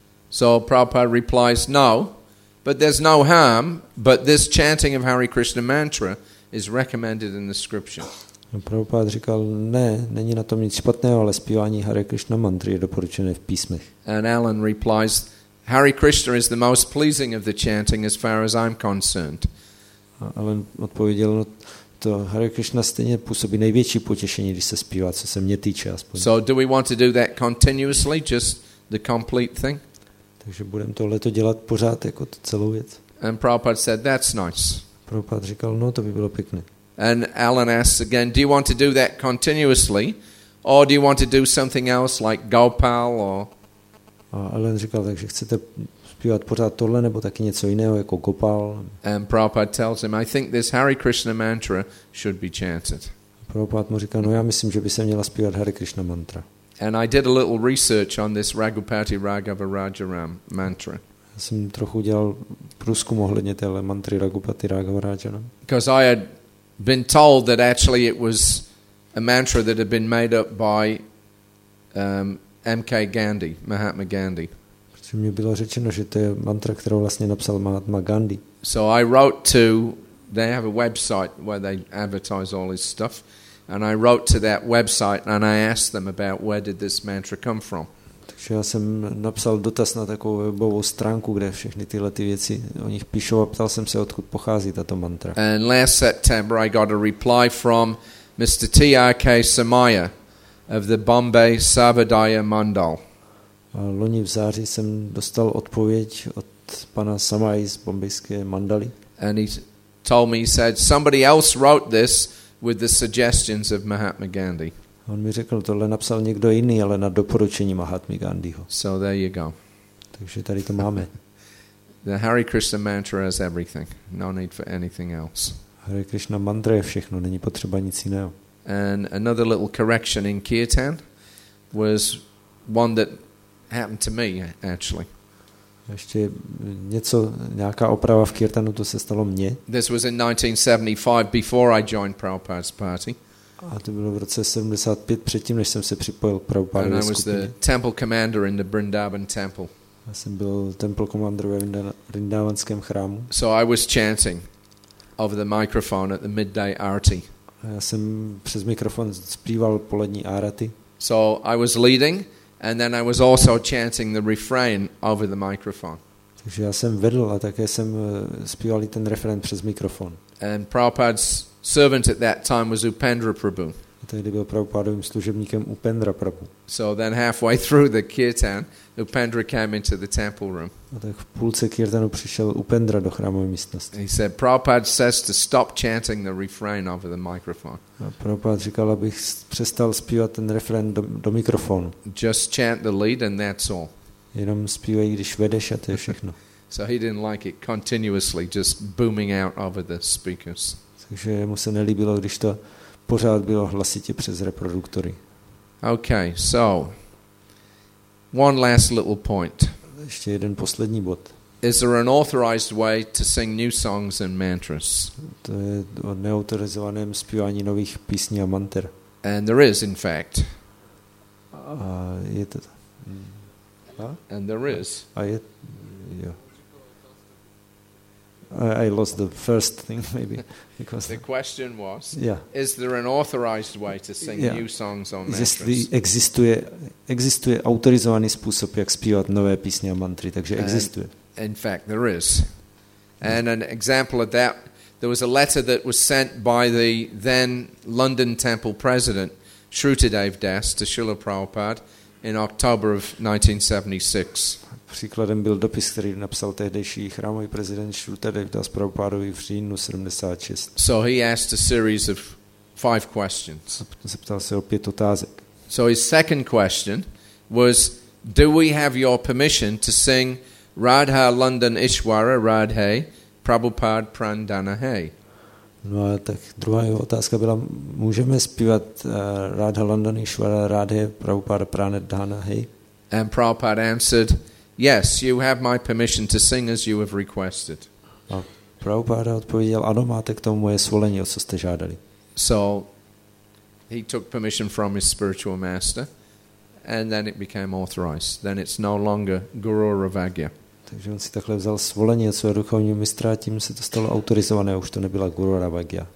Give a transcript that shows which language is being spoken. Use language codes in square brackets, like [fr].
[en] So Prabhupada replies, no, but there's no harm, but this chanting of Hare Krishna mantra is recommended in the scripture. [cs] Prabhupada říkal, ne, není na tom nic špatného, ale zpívání Hare Krishna mantry je doporučené v písmech. [en] And Alan replies, Hare Krishna is the most pleasing of the chanting as far as I'm concerned. [cs] A Alan odpověděl, no, to Hare Krishna stejně působí největší potěšení, když se zpívá, co se mě týče aspoň. [en] So do we want to do that continuously, just the complete thing? [cs] Takže budeme tohle to dělat pořád jako celou věc. [en] And Prabhupada said, that's nice. [cs] Prabhupada říkal, no, to by bylo pěkné. [en] And Alan asks again, do you want to do that continuously or do you want to do something else like Gopal or? [cs] A Alan říkal, takže chcete zpívat pořád tohle nebo taky něco jiného jako Gopal? [en] And Prabhupada tells him, I think this Hare Krishna mantra should be chanted. [cs] Prabhupada mu říkal, no, já myslím, že by se měla zpívat Hare Krishna mantra. [en] And I did a little research on this Raghupati Raghava Rajaram mantra. [cs] Já jsem trochu udělal průzkum ohledně téhle mantry Raghupati Raghava Rajaram. [en] Because I had been told that actually it was a mantra that had been made up by M.K. Gandhi, Mahatma Gandhi. [cs] Protože mi bylo řečeno, že to je mantra, kterou vlastně napsal Mahatma Gandhi. [en] So I wrote to, they have a website where they advertise all his stuff. And I wrote to that website and I asked them about where did this mantra come from. [cs] Takže já jsem napsal dotaz na takovou webovou stránku, kde všechny tyhle ty věci o nich píšou a ptal jsem se, odkud pochází tato mantra. [en] And last September I got a reply from Mr. T.R.K. Samaya of the Bombay Savadaya Mandal. [cs] A loni v září jsem dostal odpověď od pana Samaya z bombajské mandaly. [en] And he told me, he said, somebody else wrote this with the suggestions of Mahatma Gandhi. [cs] On mi řekl, tohle napsal někdo jiný, ale na doporučení Mahatmy Gandhiho. [en] So there you go. [cs] Takže tady to máme. [en] The Hare Krishna mantra has everything. No need for anything else. [cs] Hare Krishna mantra je všechno, není potřeba nic jiného. [en] And another little correction in kirtan was one that happened to me actually. [cs] Ještě něco, nějaká oprava v kirtanu, to se stalo mně. [en] This was in 1975 before I joined Prabhupada's party. [cs] A to bylo v roce 75 předtím, než jsem se připojil k Prabhupádově skupině. [en] And I was the temple commander in the Vrindavan temple. [cs] Já jsem byl [en] temple commander [cs] ve Vrindavanském chrámu. [en] So I was chanting over the microphone at the midday arati. [cs] A já jsem přes mikrofon zpíval polední arati. [en] So I was leading. And then I was also chanting the refrain over the microphone. [cs] Takže já jsem vedl a také jsem zpíval ten refrén přes mikrofon. [en] And Prabhupada's servant at that time was Upendra Prabhu. [cs] A tehdy byl Prabhupádovým služebníkem Upendra Prabhu. [en] So then halfway through the kirtan, Upendra came into the temple room. [cs] A tak v půlce kirtanu přišel Upendra do chrámové místnosti. [en] He said, Prabhupada says to stop chanting the refrain over the microphone. [cs] A Prabhupada říkal, abych přestal zpívat ten refrén do mikrofonu. [en] Just chant the lead and that's all. [cs] Jenom zpívají, když vedeš, a to je všechno. [en] So he didn't like it continuously just booming out over the speakers. [cs] Takže mu se nelíbilo, když to pořád bylo hlasitě přes reproduktory. [en] Okay, so one last little point. [cs] Ještě jeden poslední bod. [en] Is there an authorized way to sing new songs and mantras? [cs] To je o neautorizovaném zpívání nových písní a mantr. [en] And there is, in fact. A je to. And there is. I lost the first thing, maybe, because the question was, yeah. Is there an authorized way to sing new songs on mantras? [cs] Jestli existuje autorizovaný způsob, jak zpívat nové písně a mantry, takže existuje. [en] In fact, there is. And an example of that, there was a letter that was sent by the then London Temple president, Shrutadev Das, to Srila Prabhupada in October of 1976. [cs] Příkladem byl dopis, který napsal tehdejší chrámový prezident Shrutadev Das Prabhupádovi v říjnu 76. [en] So he asked a series of five questions. [cs] Zeptal se o pět otázek. [en] So his second question was, do we have your permission to sing Radha London Ishwara Radhe Prabhupad Prandana Hey. [cs] No a tak druhá jeho otázka byla, můžeme zpívat Radha London Ishwara Radhe Prabhupad Prandana Hey? [en] And Prabhupad answered, yes, you have my permission to sing as you have requested. [cs] A Prabhupad odpověděl, ano, máte k tomu moje svolení, o co jste žádali. [en] So he took permission from his spiritual master. And then it became authorized. Then it's no longer Guru Ravagya. [cs] Takže on si takhle vzal svolení od svého duchovního mistra, tím se to stalo autorizované, už to nebyla Guru Ravagya.